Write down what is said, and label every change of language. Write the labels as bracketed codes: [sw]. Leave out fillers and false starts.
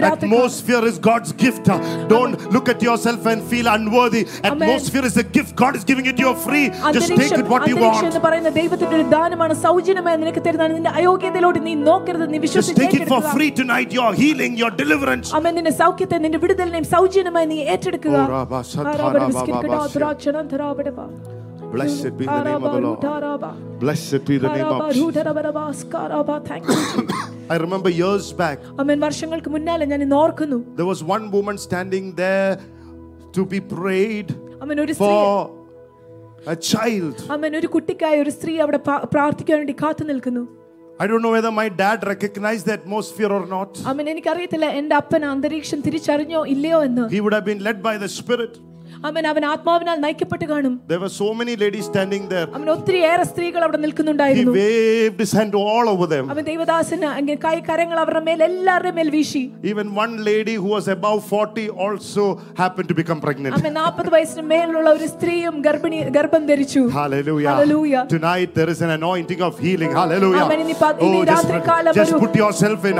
[en] Atmosphere is God's gift. Don't look at yourself and feel unworthy. Atmosphere is a gift. God is giving it to you free. Just take it what you want. Just take it for free tonight. Your healing, your deliverance. Amen. [ml] നിന്റെ സൗഖ്യത്തെ നിന്റെ വിടുതലിനെ സൗജന്യമായി നീ ഏറ്റെടുക്കുക. [en] Blessed be the name of the Lord. Blessed be the name of Jesus. Thank you. I remember years back. Amen. [ml] വർഷങ്ങൾക്ക് മുന്നാലെ ഞാൻ ഓർക്കുന്നു. [en] There was one woman standing there to be prayed. Amen. ഒരു a child. Amen. [ml] ഒരു കുട്ടിക്കായി ഒരു സ്ത്രീ അവിടെ പ്രാർത്ഥിക്കാൻ വേണ്ടി കാത്തു നിൽക്കുന്നു. [en] I don't know whether my dad recognized the atmosphere or not. [ml] Amen. എനിക്കറിയില്ല എൻ്റെ അപ്പൻ അന്തരീക്ഷം തിരിച്ചറിഞ്ഞോ ഇല്ലയോ എന്ന്. [en] He would have been led by the spirit. [ml] അമ്മൻ അവൻ ആത്മാവിനാൽ നയിക്കപ്പെട്ടു കാണും. [en] There were so many ladies standing there. [ml] അമ്മൻ ഒത്തിരിയേറെ സ്ത്രീകൾ അവിടെ നിൽക്കുന്നുണ്ടായിരുന്നു. [en] He waved his hand all over them. [ml] അവൻ ദൈവദാസൻ അങ്ങ് കൈ കരങ്ങൾ അവരുടെ മേൽ എല്ലാവരുടെ മേൽ വീശി. [en] Even one lady who was above 40 also happened to become pregnant. [ml] അമ്മൻ 40 വയസ്സിന് മേലുള്ള ഒരു സ്ത്രീയും ഗർഭം ധരിച്ചു. [en] Hallelujah. Hallelujah. Tonight there is an anointing of healing. Hallelujah. [ml] അമ്മൻ ഇനി രാത്രി കാലം [en] ഒരു just put yourself in.